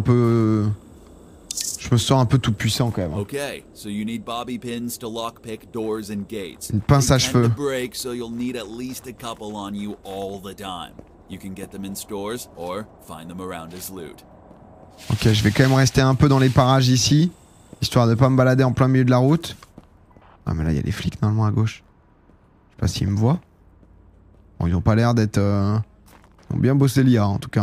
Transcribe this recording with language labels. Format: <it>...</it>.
<fr>Je me sens un peu tout puissant quand même.</fr> <en>Okay, so you need bobby pins to lockpick doors and gates.</en> <fr>Une pince à cheveux.</fr> <en>The break, so you'll need at least a couple on you all the time. You can get them in stores or find them around as loot.</en> <fr>Ok, je vais quand même rester un peu dans les parages ici, histoire de pas me balader en plein milieu de la route. Ah mais là il y a les flics normalement à gauche. Je sais pas s'ils me voient. Bon, ils ont pas l'air d'être. Ils ont bien bossé l'IA en tout cas.</fr>